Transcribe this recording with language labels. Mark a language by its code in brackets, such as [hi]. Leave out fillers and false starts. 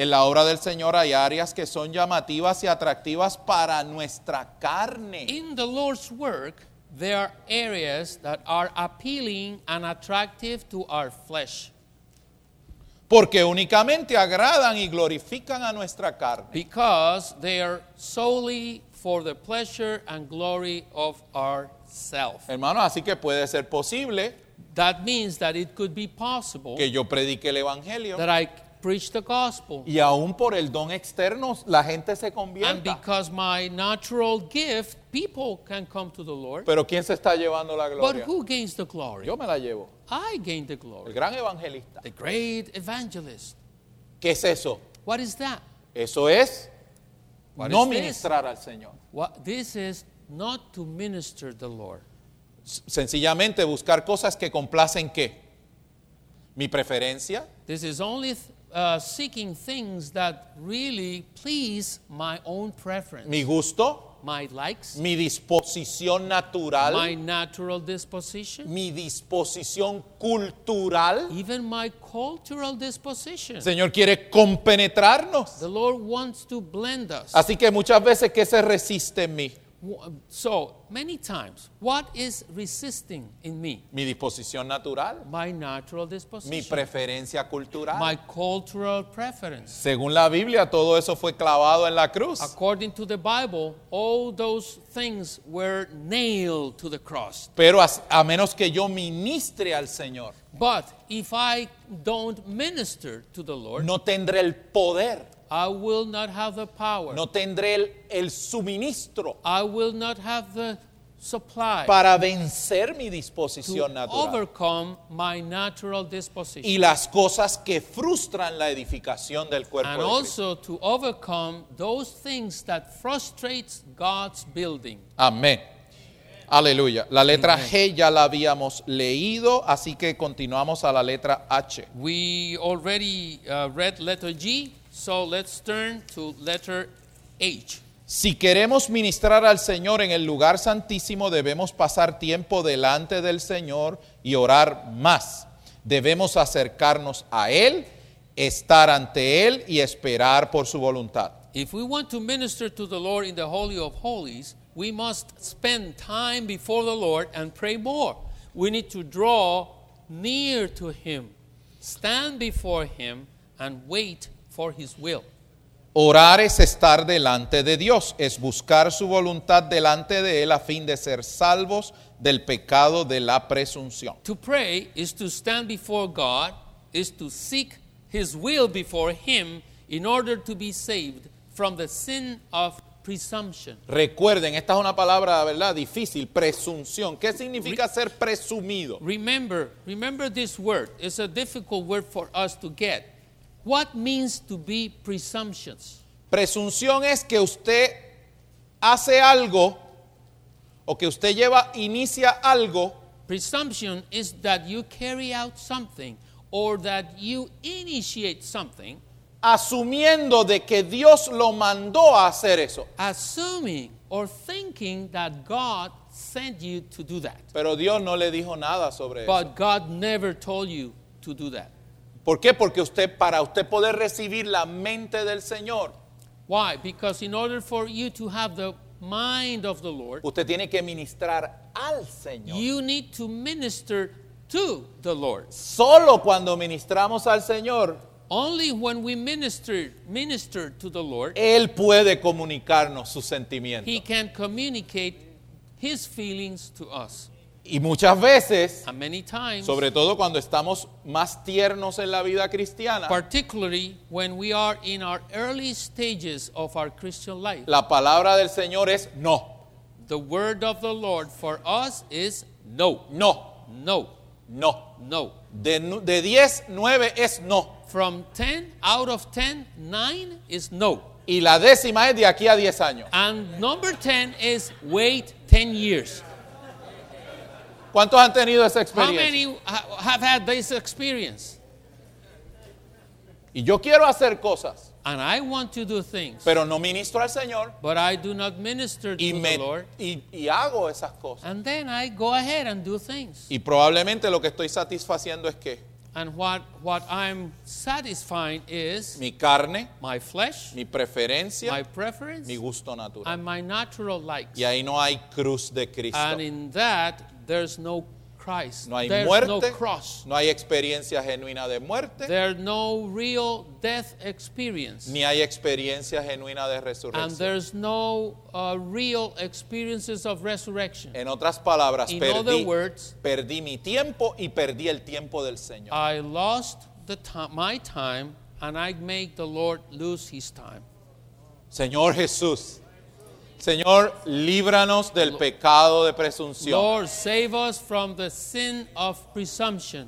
[es] En la obra del Señor hay áreas que son llamativas y atractivas para nuestra carne. [en] In the Lord's work, there are areas that are appealing and attractive to our flesh. [es] Porque únicamente agradan y glorifican a nuestra carne. [en] Because they are solely for the pleasure and glory of ourself. [es] Hermano, así que puede ser posible. [en] That means that it could be possible. [es] Que yo predique el evangelio. [en] That I preach the gospel. [es] Y aún por el don externo, la gente se convierta. [en] And because my natural gift, people can come to the Lord. [es] Pero ¿quién se está llevando la gloria? [en] But who gains the glory? [es] Yo me la llevo. [en] I gain the glory. [es] El gran evangelista. [en] The great evangelist. [es] ¿Qué es eso? [en] What is that? [es] Eso es no ministrar al Señor. [en] What, this is not to minister the Lord. [es] Sencillamente buscar cosas que complacen ¿qué? Mi preferencia. [en] This is only seeking things that really please my own preference. [es] Mi gusto. [en] My likes. [es] Mi disposición natural. [en] My natural disposition. [es] Mi disposición cultural. [en] Even my cultural disposition. [es] Señor quiere compenetrarnos. [en] The Lord wants to blend us. [es] Así que muchas veces, ¿qué se resiste en mí? [en] So, many times, what is resisting in me? [es] Mi disposición natural. [en] My natural disposition. [es] Mi preferencia cultural. [en] My cultural preference. [es] Según la Biblia, todo eso fue clavado en la cruz. [en] According to the Bible, all those things were nailed to the cross. [es] Pero a menos que yo ministre al Señor. [en] But if I don't minister to the Lord. [es] No tendré el poder. [en] I will not have the power. [es] No tendré el suministro. [en] I will not have the supply. [es] Para vencer mi disposición [en] to [es] natural. [en] To overcome my natural disposition. [es] Y las cosas que frustran la edificación del cuerpo de Cristo. [en] And also to overcome those things that frustrates God's building. [es] Amén. Aleluya. La letra Amen. G ya la habíamos leído, así que continuamos a la letra H. [en] We already read letter G. So let's turn to letter H. [es] Si queremos ministrar al Señor en el lugar santísimo, debemos pasar tiempo delante del Señor y orar más. Debemos acercarnos a Él, estar ante Él y esperar por su voluntad. [en] If we want to minister to the Lord in the Holy of Holies, we must spend time before the Lord and pray more. We need to draw near to Him, stand before Him and wait for his will. [es] Orar es estar delante de Dios, es buscar su voluntad delante de él a fin de ser salvos del pecado de la presunción. [en] To pray is to stand before God, is to seek his will before him in order to be saved from the sin of presumption. [es] Recuerden, esta es una palabra, ¿verdad? Difícil, presunción. ¿Qué significa ser presumido? [en] Remember this word. It's a difficult word for us to get. What means to be presumptuous? [es] Presunción es que usted hace algo o que usted lleva, inicia algo. [en] Presumption is that you carry out something or that you initiate something. [es] Asumiendo de que Dios lo mandó a hacer eso. [en] Assuming or thinking that God sent you to do that. [es] Pero Dios no le dijo nada sobre [en] But [es] eso. [en] God never told you to do that. [es] ¿Por qué? Porque usted, para usted poder recibir la mente del Señor. [en] Why? Because in order for you to have the mind of the Lord, [es] usted tiene que ministrar al Señor. [en] You need to minister to the Lord. [es] Solo cuando ministramos al Señor, [en] only when we minister to the Lord, [es] Él puede comunicarnos sus sentimientos. [en] He can communicate his feelings to us. [es] Y muchas veces, [en] and many times, [es] sobre todo cuando estamos más tiernos en la vida cristiana, [en] particularly when we are in our early stages of our Christian life, [es] la palabra del Señor es no. [en] The word of the Lord for us is no. [es] No. [en] No. [es] No. [en] No. [es] De 10, 9 es no. [en] From 10 out of 10, 9 is no. [es] Y la décima es de aquí a 10 años. [en] And number 10 is wait 10 years. [es] ¿Cuántos han tenido esa experiencia? [en] How many have had this experience? [es] Y yo quiero hacer cosas. [en] And I want to do things. [es] Pero no ministro al Señor. [en] But I do not minister to the Lord. [es] Y hago esas cosas. [en] And then I go ahead and do things. [es] Y probablemente lo que estoy satisfaciendo es que. [en] And what I'm satisfying is. [es] Mi carne. [en] My flesh. [es] Mi preferencia. [en] My preference. [es] Mi gusto natural. [en] And my natural likes. [es] Y ahí no hay cruz de Cristo. [en] And in that, there's no Christ. [es] No hay [en] there's [es] muerte, [en] no cross. [es] No hay experiencia genuina de muerte. [en] There's no real death experience. [es] Ni hay experiencia genuina de resurrección. [en] And there's no real experiences of resurrection. [es] En otras palabras, [en] in [es] perdí, [en] other words, [es] perdí mi tiempo y perdí el tiempo del Señor. [en] I lost the my time and I make the Lord lose his time. [es] Señor Jesús. Señor, líbranos del pecado de presunción. [en] Lord, save us from the sin of presumption.